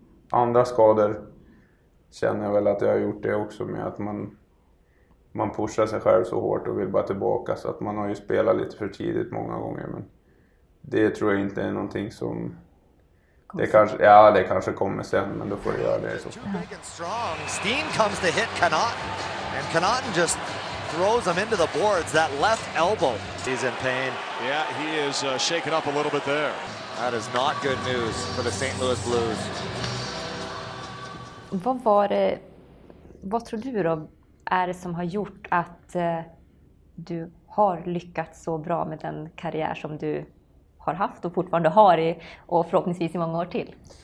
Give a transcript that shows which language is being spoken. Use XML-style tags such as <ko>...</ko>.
<sv>Andra skador känner jag väl att jag har gjort det också med, att man pushar sig själv så hårt och vill bara tillbaka, så att man har ju spelat lite för tidigt många gånger, men det tror jag inte är någonting som det kanske, ja, det kanske kommer sen, men då får jag göra det i så fall.</sv> <en>Steen comes to hit Connaughton and Connaughton just throws him into the boards, that left elbow. He's in pain. Yeah, he is shaken up a little bit there. That is not good news for the St. Louis Blues.</en> <sv>Vad var det, vad tror du då är det som har gjort att du har lyckats så bra med den karriär som du har haft och fortfarande har i, och förhoppningsvis i många år till?</sv>